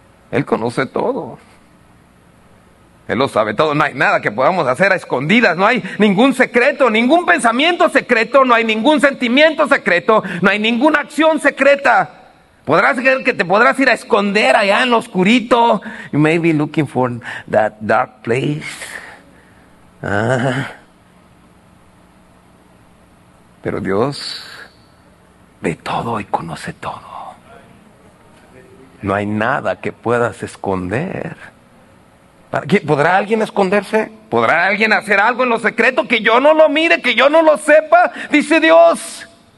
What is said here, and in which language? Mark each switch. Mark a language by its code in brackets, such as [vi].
[es] Él conoce todo. Él lo sabe todo. No hay nada que podamos hacer a escondidas. No hay ningún secreto, ningún pensamiento secreto. No hay ningún sentimiento secreto. No hay ninguna acción secreta. Podrás creer que te podrás ir a esconder allá en lo oscurito. [en] You may be looking for that dark place. Ah. [es] Pero Dios ve todo y conoce todo. No hay nada que puedas esconder. ¿Podrá alguien esconderse? ¿Podrá alguien hacer algo en lo secreto que yo no lo mire, que yo no lo sepa? Dice Dios.